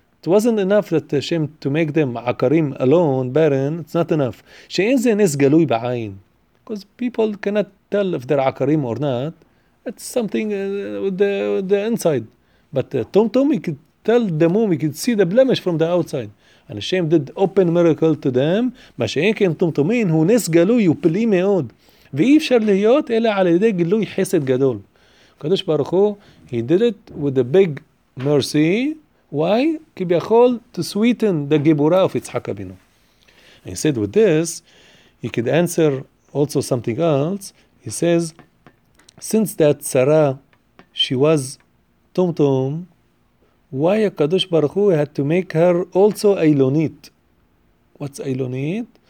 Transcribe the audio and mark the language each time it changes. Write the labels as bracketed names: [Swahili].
[English] It wasn't enough that Hashem to make them akarim alone, barren. It's not enough. [Hebrew] She'en ze nes galui ba'ayin. [English] Because people cannot tell if they're akarim or not. It's something with the inside. But tumtum, you could tell the moon, we can see the blemish from the outside. And Hashem did open miracle to them. [Hebrew] מה שאין כן תומתומין הוא נס גלוי ופלאי מאוד. ואי אפשר להיות אלא על ידי גילוי חסד גדול. [English] הקדוש ברוך הוא, he did it with a big mercy. Why? [Hebrew] כי ביכול to sweeten the גיבורה of יצחק אבינו. [English] He said with this, he could answer also something else. He says, since that Sarah, she was tumtum, why HaKadosh Baruch Hu had to make her also Eilonit? What's Eilonit?